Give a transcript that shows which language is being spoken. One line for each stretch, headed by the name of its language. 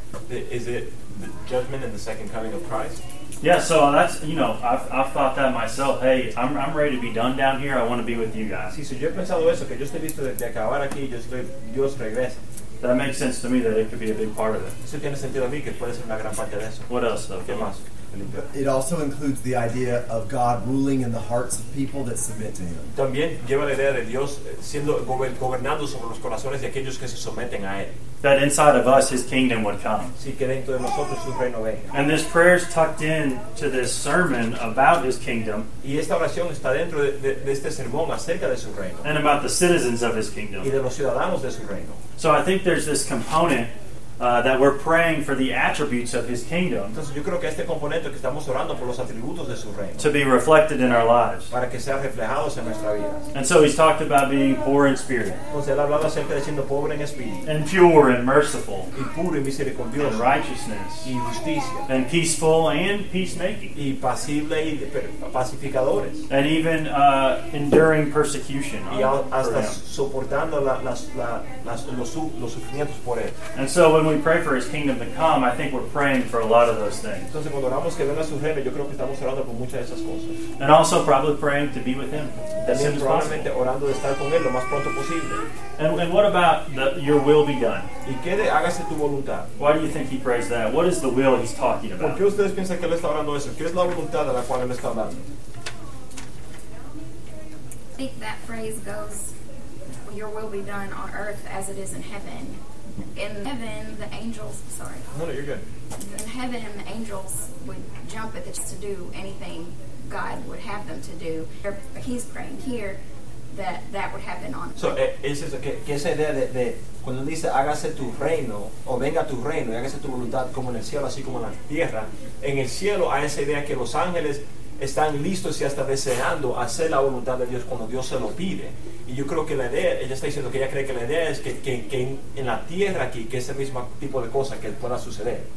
English: Is it the judgment and the second coming of Christ? Yeah, so that's, you know, I've thought that myself. Hey, I'm ready to be done down here. I want to be with you guys.
Spanish: Sí, so yo he pensado eso, que yo estoy listo de acabar aquí y Dios regresa.
English: That makes sense to me that it could be a big part of it.
Spanish: Eso tiene sentido a mí, que puede ser una gran parte de eso.
English: What else, though?
Spanish: ¿Qué más?
English: It also includes the idea of God ruling in the hearts of people that submit to Him.
Spanish: También lleva la idea de Dios siendo gobernando sobre los corazones de aquellos que se someten a Él.
English: That inside of us, His kingdom would come.
Spanish: Sí, que dentro de nosotros su reino venga.
English: And this prayer is tucked in to this sermon about His kingdom.
Spanish: Y esta oración está dentro de este sermón acerca de su reino.
English: And about the citizens of His kingdom.
Spanish: Y de los ciudadanos de su reino.
English: So I think there's this component that we're praying for the attributes of His kingdom.
Spanish: Entonces, yo creo que este componente que estamos orando por los atributos de su reino.
English: To be reflected in our lives.
Spanish: Para que sean reflejados en nuestra vida.
English: And so He's talked about being poor in spirit.
Spanish: Entonces, él ha hablado acerca de siendo pobre en espíritu.
English: And pure and merciful.
Spanish: Y puro y misericordioso.
English: And righteousness.
Spanish: Y justicia.
English: And peaceful and peacemaking.
Spanish: Y pacible y pacificadores.
English: And even enduring persecution.
Spanish: Y hasta soportando los sufrimientos por él.
English: And so when we pray for His kingdom to come, I think we're praying for a lot of those things. And also probably praying to be with Him as soon as possible. And what about your will be done?
Spanish: ¿Y qué de, hágase tu voluntad?
English: Why do you think He prays that? What is the will He's talking about?
Spanish: ¿Por qué ustedes piensan que Él está orando eso? ¿Qué es la voluntad de la cual Él está hablando?
English: I think that phrase goes, your will be done on earth as it is in heaven. In heaven, the angels would jump at this to do anything God would have them to do. He's praying here that would happen on earth.
Spanish: So, ¿es eso? ¿Qué es esa idea de cuando él dice hágase tu reino o venga tu reino y hágase tu voluntad como en el cielo así como en la tierra? En el cielo hay esa idea que los ángeles están listos y hasta deseando hacer la voluntad de Dios cuando Dios se lo pide. Y yo creo que la idea, ella está diciendo que ella cree que la idea es que en la tierra aquí, que es el mismo tipo de cosa que pueda suceder.